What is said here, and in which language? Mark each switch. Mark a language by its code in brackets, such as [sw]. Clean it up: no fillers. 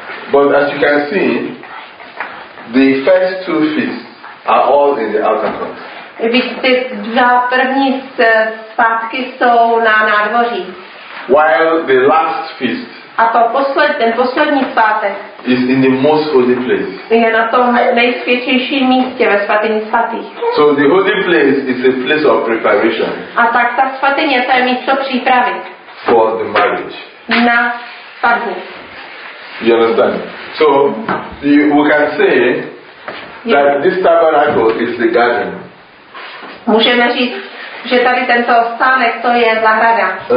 [en] But as you can see, the first two feasts are all in the outer court. [cs] Víte, dva první svátky jsou na nádvoří. [en] While the last feast. [cs] A to poslední svátek. [en] Is in the most holy place. [cs] Je na tom nejsvětějším místě ve svatyni svatých. [en] So the holy place is a place of preparation. [cs] A tak ta svatyně, to je místo přípravy. [en] For the marriage. [cs] Na svatbu. [en] You understand? So we can say that this tabernacle is the garden. [cs] Můžeme říct, že tady tento stánek, to je zahrada.